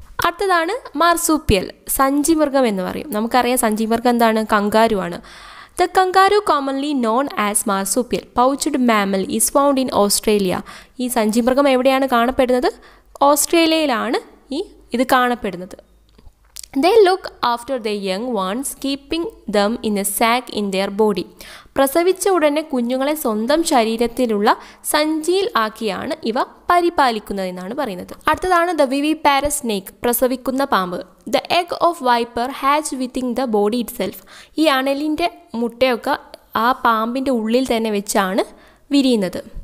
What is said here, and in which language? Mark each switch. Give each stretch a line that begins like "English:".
Malayalam: അടുത്തതാണ് മാർസൂപ്പിയൽ, സഞ്ചി മൃഗം എന്ന് പറയും. നമുക്കറിയാം സഞ്ചി മൃഗം എന്താണ്, കംഗാരു ആണ്.
English: The kangaroo commonly known as marsupial pouched mammal is found in Australia.
Malayalam: ഈ സഞ്ചി മൃഗം എവിടെയാണ് കാണപ്പെടുന്നത്? ഓസ്ട്രേലിയയിലാണ് ഈ ഇത് കാണപ്പെടുന്നത്.
English: They look after their young ones, keeping them in a sack in their body.
Malayalam: പ്രസവിച്ച ഉടനെ കുഞ്ഞുങ്ങളെ സ്വന്തം ശരീരത്തിലുള്ള സഞ്ചിയിൽ ആക്കിയാണ് ഇവ പരിപാലിക്കുന്നതെന്നാണ് പറയുന്നത്. അടുത്തതാണ്
English: the viviparous snake,
Malayalam: പ്രസവിക്കുന്ന പാമ്പ്.
English: The egg of viper hatch within the body itself.
Malayalam: ഈ അണലിൻ്റെ മുട്ടയൊക്കെ ആ പാമ്പിൻ്റെ ഉള്ളിൽ തന്നെ വെച്ചാണ് വിരിയുന്നത്.